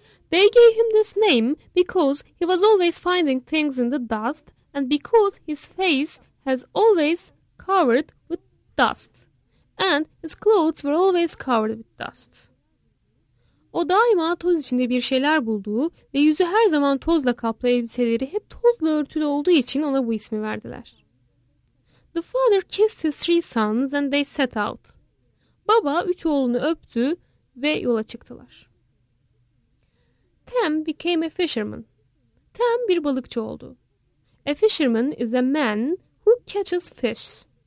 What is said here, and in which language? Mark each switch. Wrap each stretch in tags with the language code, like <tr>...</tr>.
<en>They gave him this name because he was always finding things in the dust and because his face has always covered with dust and his clothes were always covered with dust.</en> <tr>O daima toz içinde bir şeyler bulduğu ve yüzü her zaman tozla kaplı elbiseleri hep tozla örtülü olduğu için ona bu ismi verdiler.</tr> <en>The father kissed his three sons and they set out.</en> <tr>Baba üç oğlunu öptü ve yola çıktılar.</tr> <en>Tam became a fisherman.</en> <tr>Tam bir balıkçı oldu.</tr> <en>A fisherman is a man who catches fish.</en>